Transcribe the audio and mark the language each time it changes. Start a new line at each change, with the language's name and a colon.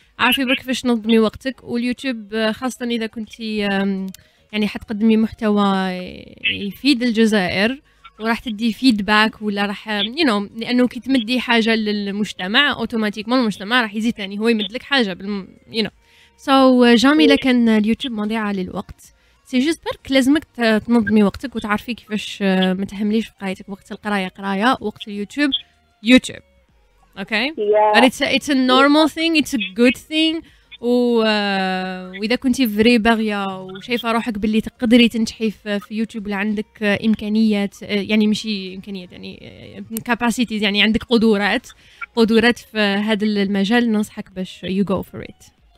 Arabic: عارفي برك كيفاش تنظمي وقتك، واليوتيوب خاصة إذا كنتي يعني حتقدمي محتوى يفيد الجزائر وراح تدي فيدباك ولا راح يو لانه كي تمدي حاجه للمجتمع اوتوماتيكمون المجتمع راح يزيد ثاني هو يمد لك حاجه
English: you know so
Arabic: جامي لكن اليوتيوب مضيعه للوقت،
French: سي جوست
Arabic: برك لازمك تنظمي وقتك وتعرفي كيفاش ما تهمليش في قرايتك، وقت القرايه قرايه وقت اليوتيوب يوتيوب.
English: Okay okay? yeah. But it's a normal thing, it's a good thing.
Arabic: وإذا كنتي فري باغية وشايفة روحك باللي تقدري تنجحي في يوتيوب ولا عندك إمكانيات، يعني ماشي إمكانيات يعني كاباسيتيز، يعني عندك قدرات في هذا المجال، ننصحك باش
English: you go for it.